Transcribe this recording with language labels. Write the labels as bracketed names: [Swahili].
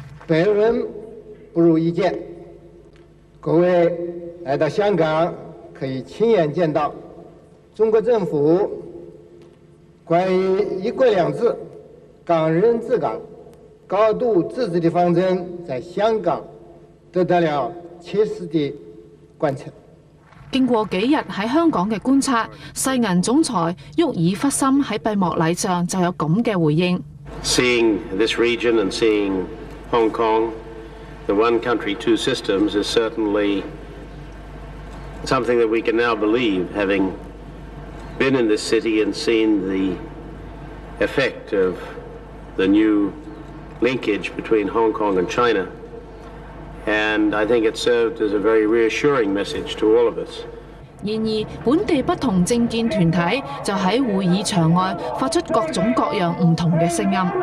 [Chinese] 本人不如意見，各位来到香港可以亲眼见到中国政府关于一国两制、港人治港、高度自治的方针在香港得到了切实的贯彻。经过几日在香港的观察，世银总裁沃尔弗森在闭幕礼上就有这样的回应。 [English] Seeing this region and seeing Hong Kong,The one country, two systems is certainly something that we can now believe, having been in this city and seen the effect of the new linkage between Hong Kong and China. And I think it served as a very reassuring message to all of us. [Chinese] 然而，本地不同政见团体就在会议场外发出各种各样不同的声音。